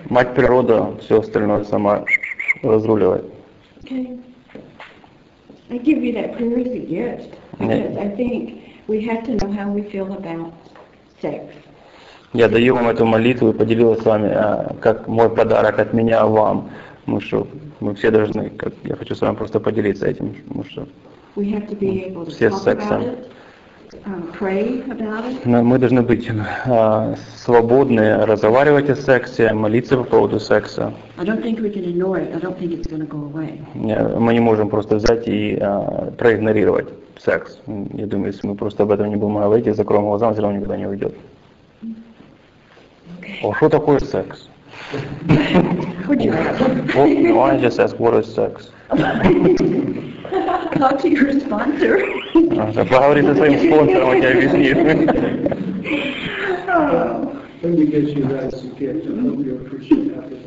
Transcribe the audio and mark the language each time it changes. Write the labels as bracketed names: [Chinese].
[Russian] Мать природа, все остальное сама разруливает. [English] Okay. I give you that prayer as a gift. Because I think we have to know how we feel about sex. [Russian] Я даю вам эту молитву и поделилась с вами, как мой подарок от меня вам. Потому что мы все должны, как я хочу с вами просто поделиться этим, потому что [English] we have to be able to talk [Russian] сексом. [English] About it. Pray about it. [Russian] Но мы должны быть свободны разговаривать о сексе, молиться по поводу секса. [English] I don't think we can ignore it. I don't think it's going to go away. [Russian] Мы не можем просто взять и проигнорировать секс. Я думаю, если мы просто об этом не будем говорить, закроем глаза, он все равно никогда не уйдет. [English] Okay. [Russian] О, что такое секс? [English] Would you ask? Why just ask what is sex? Talk to your sponsor. [Russian] Поговори со своим спонсором, он тебе объяснит. [English] Let me get you guys a gift. I hope you appreciate that.